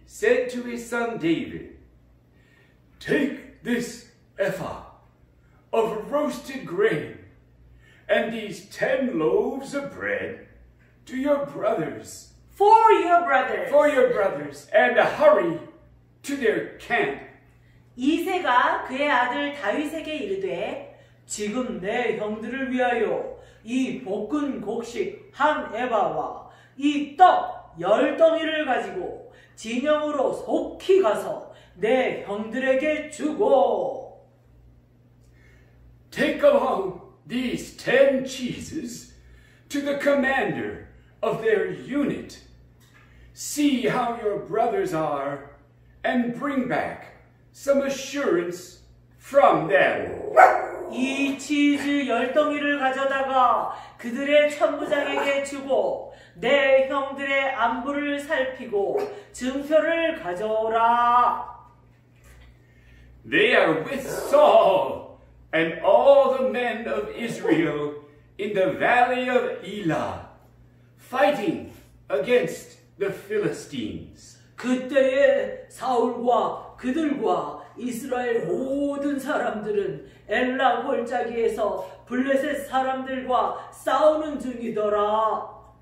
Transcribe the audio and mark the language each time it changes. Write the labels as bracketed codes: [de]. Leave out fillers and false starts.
[en] David, take this ephah of roasted grain and these 10 loaves of bread to your brothers. For your brothers. For your brothers, and hurry to their camp. [ko] 이새가 그의 아들 다윗에게 이르되 지금 내 형들을 위하여 이 볶은 곡식 한 에바와 이 떡 열 덩이를 가지고 진영으로 속히 가서 내 형들에게 주고 [en] Take along these 10 cheeses to the commander of their unit. See how your brothers are and bring back some assurance from them. [ko] 이 치즈 열 덩이를 가져다가 그들의 천부장에게 주고 내 형들의 안부를 살피고 증표를 가져오라. [en] They are with Saul and all the men of Israel in the valley of Elah, fighting against the Philistines. [ko] 그때에 사울과 그들과 이스라엘 모든 사람들은 엘라 골짜기에서 블레셋 사람들과 싸우는 중이더라.